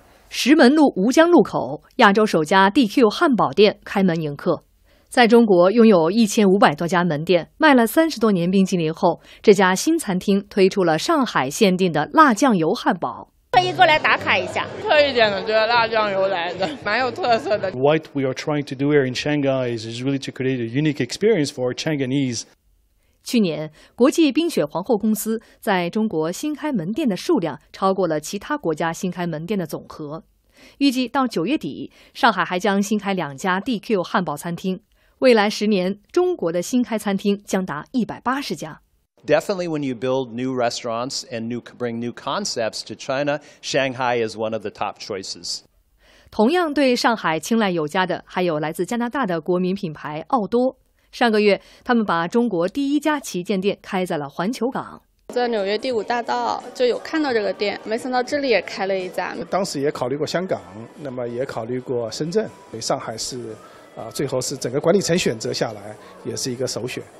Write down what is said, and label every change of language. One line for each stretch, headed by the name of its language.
Chinese: 石门路吴江路口，亚洲首家 DQ 汉堡店开门迎客。在中国拥有1500多家门店，卖了30多年冰激凌后，这家新餐厅推出了上海限定的辣酱油汉堡。特意过来打卡一下，特意点的这个辣酱油来的，蛮有特色的。
English: What we are trying to do here in Shanghai is really to create a unique experience for Changanese。
Chinese: 去年，国际冰雪皇后公司在中国新开门店的数量超过了其他国家新开门店的总和。预计到9月底，上海还将新开2家 DQ 汉堡餐厅。未来10年，中国的新开餐厅将达180家。
English: Definitely, when you build new restaurants and bring new concepts to China, Shanghai is one of the top choices.
Chinese: 同样对上海青睐有加的，还有来自加拿大的国民品牌奥多。上个月，他们把中国第一家旗舰店开在了环球港。在纽约第五大道就有看到这个店，没想到这里也开了一家。当时也考虑过香港，那么也考虑过深圳，上海是，最后是整个管理层选择下来，也是一个首选。